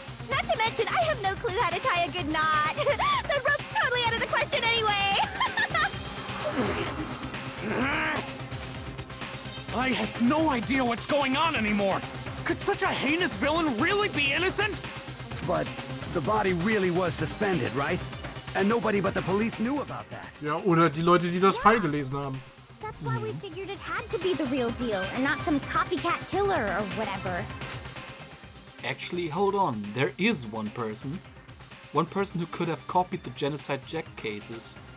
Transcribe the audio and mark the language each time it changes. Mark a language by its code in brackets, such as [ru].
[en] Not to mention, I have no clue how to tie a good knot. So rope's totally out of the question anyway. I have no idea what's going on anymore. Could such a heinous villain really be innocent? But the body really was suspended, right? And nobody but the police knew about that. [de] Ja, oder die Leute, die das Fall gelesen haben. [en] That's why we figured it had to be the real deal and not some copycat killer or whatever. Actually, hold on. There is one person. One person who could have copied the Genocide Jack cases.